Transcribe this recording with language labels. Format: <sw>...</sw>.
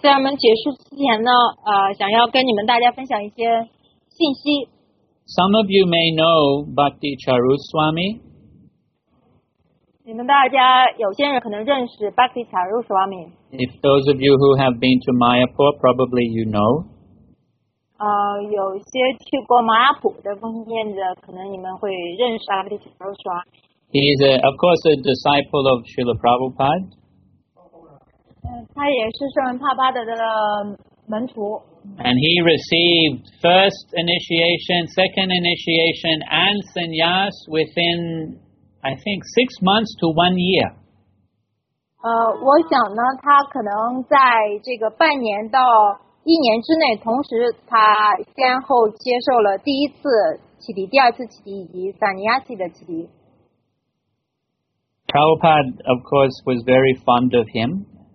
<zh>在我们结束之前呢，想要跟你们大家分享一些信息。</zh> <en>Some of you may know Bhakti Charu Swami.</en> <zh>你们大家有些人可能认识 Bhakti Charu Swami.</zh> <en>If those of you who have been to Mayapur, probably you know.</en> <zh>有些去过马雅普的奉献者，可能你们会认识 Bhakti Charu Swami.</zh> <en>He is, of course, a disciple of Srila Prabhupada. And he received first initiation, second initiation, and sannyas within, I think, 6 months to 1 year.</en> <zh>我想呢，他可能在这个半年到一年之内，同时他先后接受了第一次启迪、第二次启迪以及sannyas的启迪。</zh> <en>Prabhupada, of course, was very fond of him.</en>